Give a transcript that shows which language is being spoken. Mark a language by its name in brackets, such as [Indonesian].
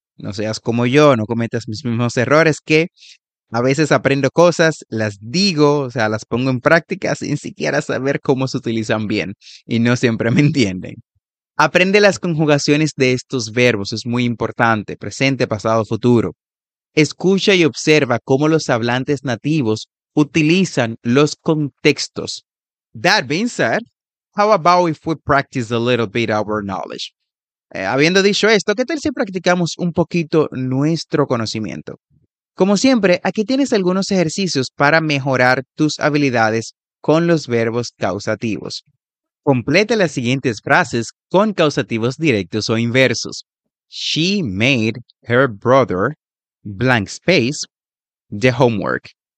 [Spanish] No seas como yo, no cometas mis mismos errores que a veces aprendo cosas, las digo, o sea, las pongo en práctica sin siquiera saber cómo se utilizan bien y no siempre me entienden. Aprende las conjugaciones de estos verbos, es muy importante, presente, pasado, futuro. Escucha y observa cómo los hablantes nativos utilizan los contextos. [English] That being said, how about if we practice a little bit our knowledge? [Spanish] Habiendo dicho esto, ¿qué tal si practicamos un poquito nuestro conocimiento? Como siempre, aquí tienes algunos ejercicios para mejorar tus habilidades con los verbos causativos. Completa las siguientes frases con causativos directos o inversos. [English] She made her brother, blank space, the homework.